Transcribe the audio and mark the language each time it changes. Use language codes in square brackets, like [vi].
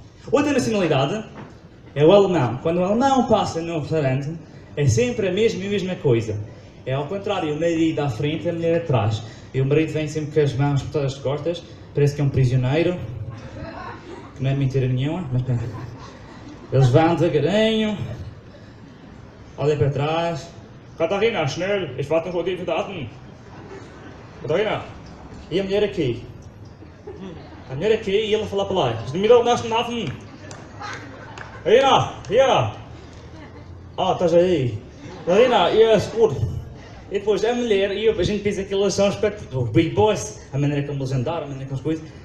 [pt] Outra nacionalidade é o alemão. Quando o alemão passa no restaurante, é sempre a mesma coisa. É ao contrário, o marido à frente e a mulher atrás. E o marido vem sempre com as mãos por todas as costas, parece que é um prisioneiro, que não é mentira nenhuma, mas eles vão devagarinho, olhem para trás. [de] Katharina, schnell, ich warte noch auf die Daten. [pt] Katharina. E a mulher aqui? A mulher aqui e ele fala para lá. Não me dá o nosso nada. Katharina, hier. Ah, estás aí. [en] Katharina, yes, good. [pt] E depois a mulher, e a gente pensa que eles são espectadores, o Big Boss, a maneira como eles andaram, a maneira como eles coisas.